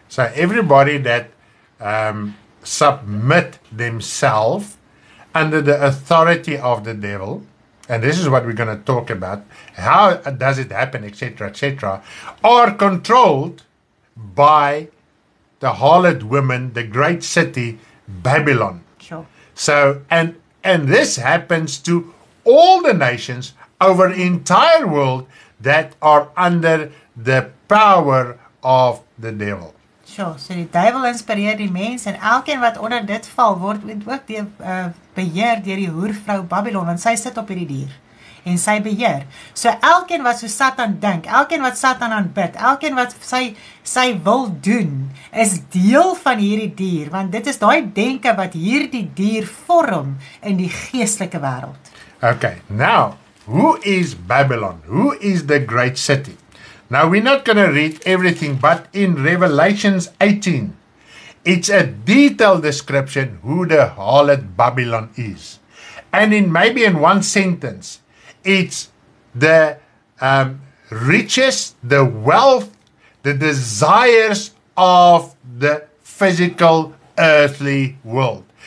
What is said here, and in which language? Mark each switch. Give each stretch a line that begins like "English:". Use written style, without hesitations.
English: So everybody that submit themselves under the authority of the devil, and this is what we're going to talk about, how does it happen, etc., etc., are controlled by the harlot woman, the great city, Babylon. Sure. So, and this happens to all the nations over the entire world that are under the power of the devil.
Afrikaans: Sure, so die duivel inspireer die mens en elkeen wat onder dit val word ook die beheer deur die hoervrou Babylon want sy sit op hierdie dier en sy beheer. So elkeen wat so Satan dink, elkeen wat Satan aanbid, elkeen wat sy wil doen is deel van hierdie dier want dit is daai denke wat hierdie dier vorm in die geestelike wêreld.
English: Okay, now, who is Babylon? Who is the great city? Now, we're not going to read everything, but in Revelations 18, it's a detailed description who the harlot Babylon is. And in maybe in one sentence, it's the riches, the wealth, the desires of the physical earthly world.